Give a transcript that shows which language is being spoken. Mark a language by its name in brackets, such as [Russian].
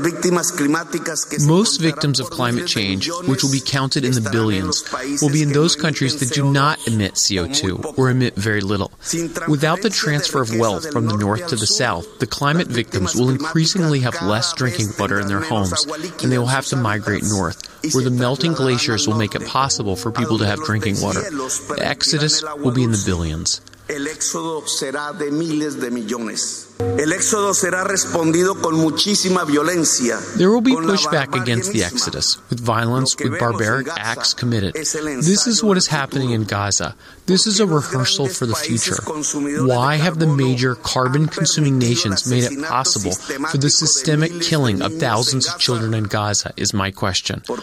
[English] Most victims of climate change, which will be counted in the billions, will be in those countries that do not emit CO2 or emit very little. Without the transfer of wealth from the north to the south, the climate victims will increasingly have less drinking water in their homes, and they will have to migrate north, where the melting glaciers will make it possible for people to have drinking water. The exodus will be in the billions. [Spanish] El éxodo será de miles de millones. El éxodo será respondido con muchísima violencia. [English] There will be pushback against the exodus, with violence, with barbaric acts committed. This is what is happening in Gaza. This is a rehearsal for the future. Why have the major carbon-consuming nations made it possible for the systemic killing of thousands of children in Gaza, is my question.